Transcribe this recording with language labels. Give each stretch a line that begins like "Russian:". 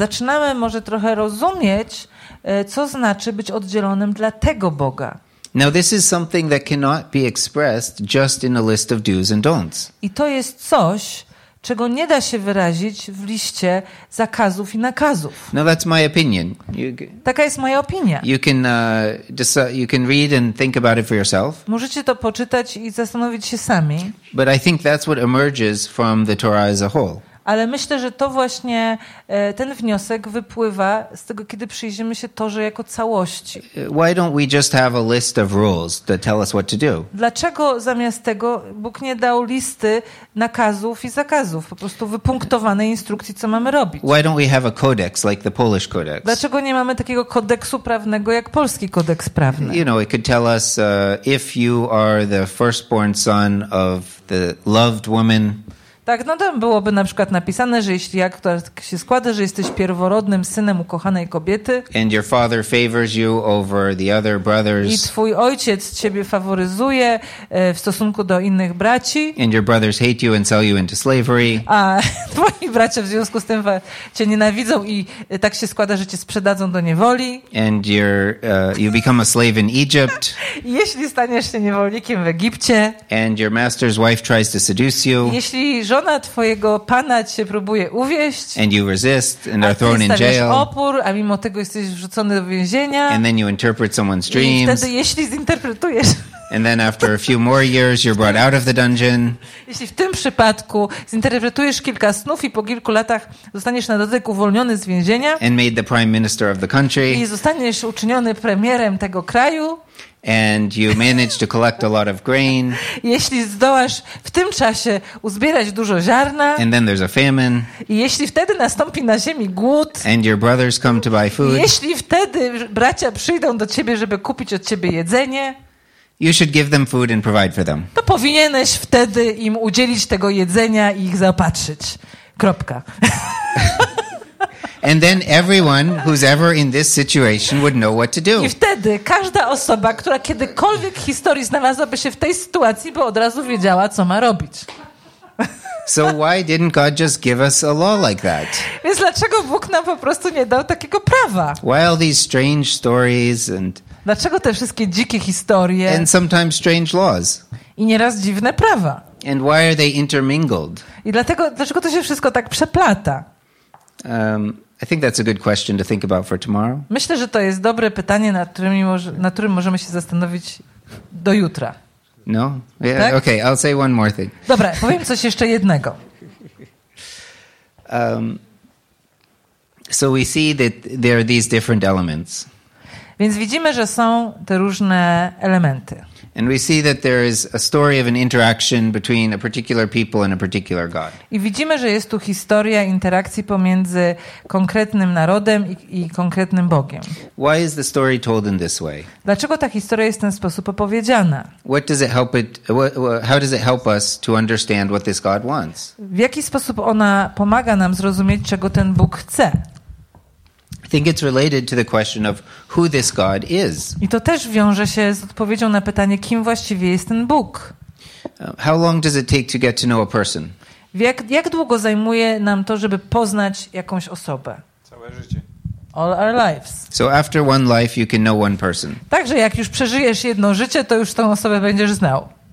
Polish: Zaczynamy może trochę rozumieć, co znaczy być oddzielonym dla tego Boga.
English: Now this is something that cannot be expressed just in a list of do's and don'ts.
Polish: I to jest coś, czego nie da się wyrazić w liście zakazów i nakazów.
English: No, that's my opinion.
Polish: Taka jest moja opinia.
English: You can read and think about it for yourself.
Polish: Możecie to poczytać i zastanowić się sami.
English: But I think that's what emerges from the Torah as a whole.
Polish: Ale myślę, że to właśnie ten wniosek wypływa z tego, kiedy przyjrzymy się Torze jako całości.
English: Why don't we just have a list of rules that tell us what to do?
Polish: Dlaczego zamiast tego Bóg nie dał listy nakazów i zakazów, po prostu wypunktowanej instrukcji, co mamy robić?
English: Why don't we have a codex like the Polish codex?
Polish: Dlaczego nie mamy takiego kodeksu prawnego jak polski kodeks prawny?
English: You know, it could tell us if you are the firstborn son of the loved woman.
Polish: Tak, no to byłoby na przykład napisane, że jeśli jak to się składa, że jesteś pierworodnym synem ukochanej kobiety.
English: And your father favors you over the other brothers.
Polish: I twój ojciec ciebie faworyzuje w stosunku do innych braci.
English: And your brothers hate you and sell you into slavery.
Polish: A twoi bracia w związku z tym cię nienawidzą i tak się składa, że cię sprzedadzą do niewoli.
English: And you become a slave in Egypt.
Polish: Jeśli staniesz się niewolnikiem w Egipcie.
English: And your master's wife tries to seduce you.
Polish: Jeśli żona twojego pana cię próbuje uwieść,
English: and you resist and are thrown in jail.
Polish: A ty stawiasz opór, a mimo tego jesteś wrzucony do więzienia.
English: And then you interpret someone's dreams.
Polish: I wtedy, jeśli zinterpretujesz.
English: And then after a few more years you're brought out of the dungeon.
Polish: Jeśli w tym przypadku zinterpretujesz kilka snów i po kilku latach zostaniesz na dodatek uwolniony z więzienia.
English: And made the prime minister of the country.
Polish: I zostaniesz uczyniony premierem tego kraju.
English: And you manage to collect a lot of grain.
Polish: Jeśli zdołasz w tym czasie uzbierać dużo ziarna.
English: And then there's a famine.
Polish: I jeśli wtedy nastąpi na ziemi głód.
English: And your brothers come to buy food.
Polish: Jeśli wtedy bracia przyjdą do ciebie, żeby kupić od ciebie jedzenie.
English: You should give them food and provide for them.
Polish: To powinieneś wtedy im udzielić tego jedzenia i ich zaopatrzyć. Kropka.
English: And then everyone who's ever in this situation would know what to do.
Polish: I wtedy każda osoba, która kiedykolwiek w historii znalazłaby się w tej sytuacji, by od razu wiedziała, co ma robić.
English: So why didn't God just give us a law like that?
Polish: Więc dlaczego Bóg nam po prostu nie dał takiego prawa?
English: Why all these strange stories and...
Polish: Dlaczego te wszystkie dzikie historie?
English: And sometimes strange laws.
Polish: I nieraz dziwne prawa.
English: And why are they intermingled?
Polish: I dlatego, dlaczego to się wszystko tak przeplata?
English: I think that's a good question to think about for tomorrow.
Polish: Myślę, że to jest dobre pytanie, na którym możemy się zastanowić do jutra. No, yeah, tak?
English: Okay, I'll say one more thing.
Polish: Dobra, powiem coś jeszcze jednego.
English: So we see that there are these different elements.
Polish: Więc widzimy, że są te różne elementy.
English: And we see that there is a story of an interaction between a particular people and a particular God.
Polish: I widzimy, że jest tu historia interakcji pomiędzy konkretnym narodem i konkretnym Bogiem.
English: Why is the story told in this way?
Polish: Dlaczego ta historia jest w ten sposób opowiedziana?
English: What does it help it? How does it help us to understand what this God wants?
Polish: W jaki sposób ona pomaga nam zrozumieć, czego ten Bóg chce?
English: I think it's related to the question of who this God is.
Polish: I to też wiąże się z odpowiedzią na pytanie, kim właściwie jest ten Bóg.
English: How long does it take to get to know a person?
Polish: Jak długo zajmuje nam to, żeby poznać jakąś osobę? Całe życie.
English: All our lives. So after one life you can know one person.
Polish: Także jak już przeżyjesz jedno życie, to już tą osobę będziesz znał.